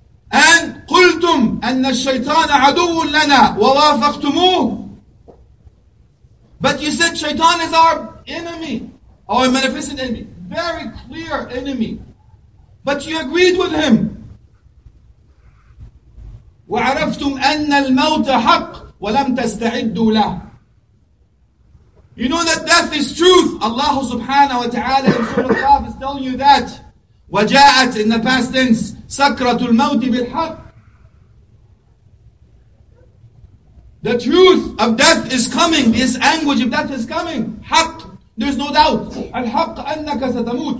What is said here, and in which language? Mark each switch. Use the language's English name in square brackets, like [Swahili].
[Arabic] And قُلْتُمْ أَنَّ الشَّيْطَانَ عَدُوٌ لَنَا وَوَافَقْتُمُوهُ. [English] But you said shaitan is our enemy, our manifested enemy, very clear enemy. But you agreed with him. [Arabic] وَعَرَفْتُمْ أَنَّ الْمَوْتَ حَقٌّ وَلَمْ تَسْتَعِدُّوا لَهُ. [English] You know that death is truth. Allah subhanahu wa ta'ala in Surah Al-Kahf is telling you that. [Arabic] وَجَاءَتْ [English] in the past tense, [Arabic] سَكْرَةُ الْمَوْتِ بِالْحَقِّ. [English] The truth of death is coming. This anguish of death is coming. [Arabic] حَقٌّ. [English] There's no doubt. [Arabic] الْحَقُّ أَنَّكَ سَتَمُوتُ.